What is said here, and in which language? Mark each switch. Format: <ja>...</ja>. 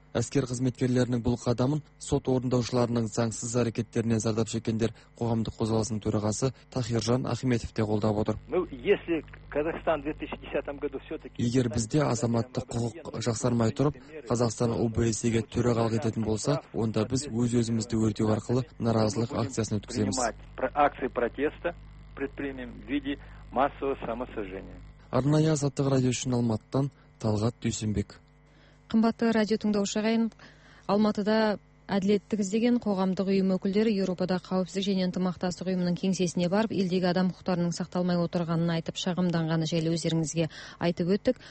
<kk>Әскер қызметкерлерінің бұл қадамын сот орындаушыларының заңсыз әрекеттерінен зардап шеккендер қоғамдық қозғалысының төрағасы Тахиржан Ахметов те қолдап отыр. Егер бізде азаматтық құқық жақсармай тұрып, Қазақстан ОБСЕ-ге төрағалық ететін болса, онда біз өз өзімізді өртеу арқылы наразылық акциясын өткіземіз.</kk> <ru>Акция протеста предпримем в виде массового самосожжения.</ru> <kk>Арнайы Азаттық радио үшін Алматыдан Талғат Дүйсенбек. Қымбатты радио тыңдаушы ағайын, Алматыда әділеттік іздеген қоғамдық ұйым өкілдері Еуропада қауіпсіздік және ынтымақтастық ұйымының кеңсесіне барып, елдегі адам құқықтарының сақталмай отырғанын айтып шағымданғаны жайлы өздеріңізге айтып өттік.</kk>